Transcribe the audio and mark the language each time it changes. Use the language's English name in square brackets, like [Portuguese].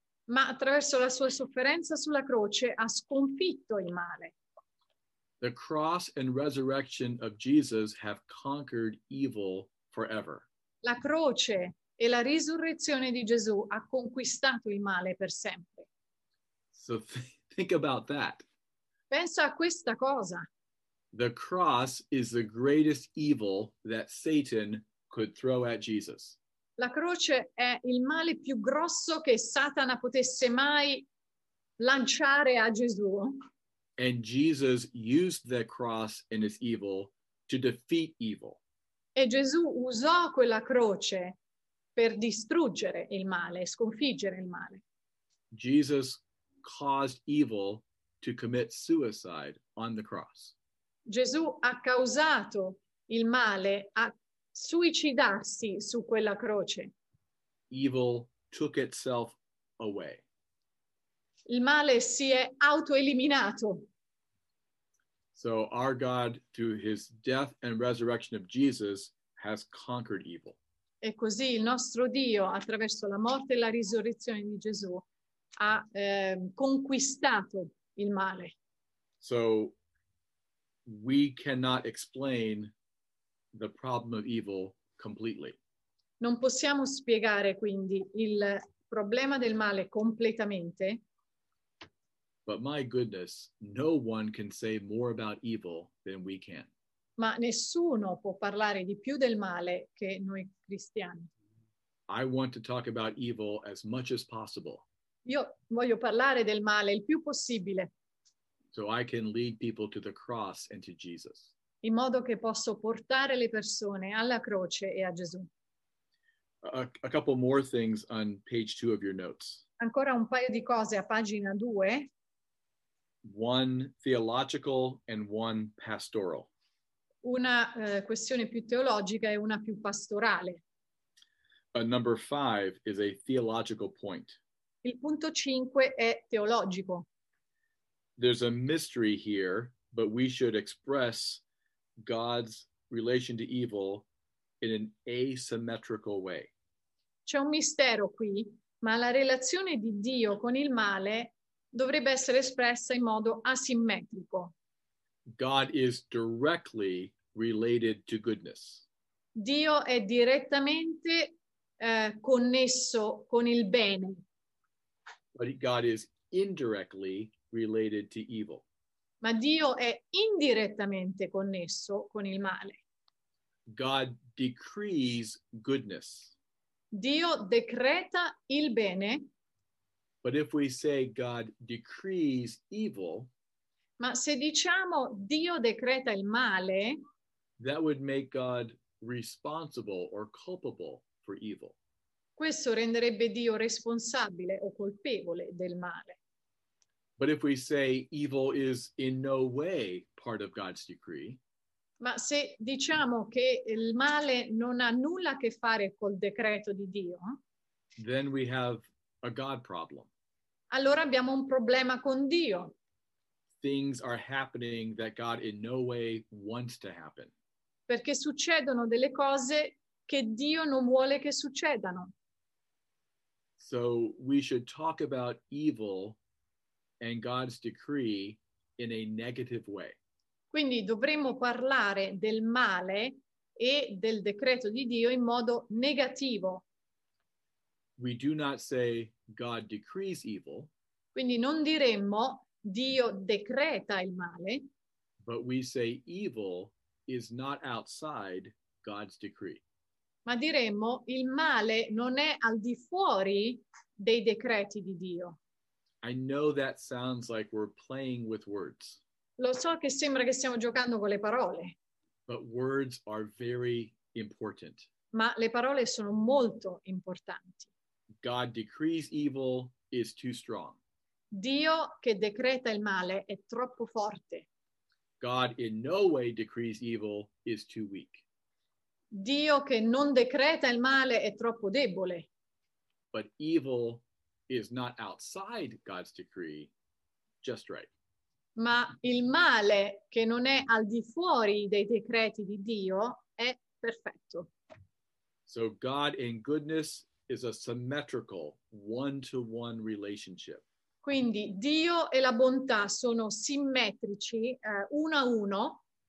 [Italian] Ma attraverso la sua sofferenza sulla croce ha sconfitto il male. [English] The cross and resurrection of Jesus have conquered evil forever. [Italian] La croce e la risurrezione di Gesù ha conquistato il male per sempre. [English] So think about that. [Italian] Pensa a questa cosa. [English] The cross is the greatest evil that Satan could throw at Jesus. [Italian] La croce è il male più grosso che Satana potesse mai lanciare a Gesù. [English] And Jesus used the cross and its evil to defeat evil. [Italian] E Gesù usò quella croce per distruggere il male, sconfiggere il male. [English] Jesus caused evil to commit suicide on the cross. [Italian] Gesù ha causato il male a suicidarsi su quella croce. [English] Evil took itself away. [Italian] Il male si è autoeliminato. [English] So our God, through his death and resurrection of Jesus, has conquered evil. [Italian] E così il nostro Dio, attraverso la morte e la risurrezione di Gesù, ha conquistato il male. [English] So we cannot explain the problem of evil completely. [Italian] Non possiamo spiegare quindi il problema del male completamente. [English] But my goodness, no one can say more about evil than we can. [Italian] Ma nessuno può parlare di più del male che noi cristiani. [English] I want to talk about evil as much as possible. [Italian] Io voglio parlare del male il più possibile. [English] So I can lead people to the cross and to Jesus. [Italian] In modo che posso portare le persone alla croce e a Gesù. [English] A couple more things on page 2 of your notes. [Italian] Ancora un paio di cose a pagina 2. [English] One theological and one pastoral. [Italian] Una questione più teologica e una più pastorale. [English] Number 5 is a theological point. [Italian] Il punto 5 è teologico. [English] There's a mystery here, but we should express God's relation to evil in an asymmetrical way. [Italian] C'è un mistero qui, ma la relazione di Dio con il male dovrebbe essere espressa in modo asimmetrico. [English] God is directly related to goodness. [Italian] Dio è direttamente connesso con il bene. [English] But God is indirectly related to evil. [Italian] Ma Dio è indirettamente connesso con il male. [English] God decrees goodness. [Italian] Dio decreta il bene. [English] But if we say God decrees evil, [Italian] ma se diciamo Dio decreta il male, [English] that would make God responsible or culpable for evil. [Italian] Questo renderebbe Dio responsabile o colpevole del male. [English] But if we say evil is in no way part of God's decree, [Italian] ma se diciamo che il male non ha nulla a che fare col decreto di Dio, [English] then we have a God problem. [Italian] Allora abbiamo un problema con Dio. [English] Things are happening that God in no way wants to happen. [Italian] Perché succedono delle cose che Dio non vuole che succedano. [English] So we should talk about evil and God's decree in a negative way. [Italian] Quindi dovremmo parlare del male e del decreto di Dio in modo negativo. [English] We do not say God decrees evil. [Italian] Quindi non diremmo Dio decreta il male. [English] But we say evil is not outside God's decree. [Italian] Ma diremmo il male non è al di fuori dei decreti di Dio. [English] I know that sounds like we're playing with words. [Italian] Lo so che sembra che stiamo giocando con le parole. [English] But words are very important. [Italian] Ma le parole sono molto importanti. [English] God decrees evil is too strong. [Italian] Dio che decreta il male è troppo forte. [English] God in no way decrees evil is too weak. [Italian] Dio che non decreta il male è troppo debole. [English] But evil is not outside God's decree, just right. [Italian] ma il male che non è al di fuori dei decreti di Dio è perfetto. [English] So God in goodness is a symmetrical one-to-one relationship. [Italian] Quindi Dio e la bontà sono simmetrici, uno a uno.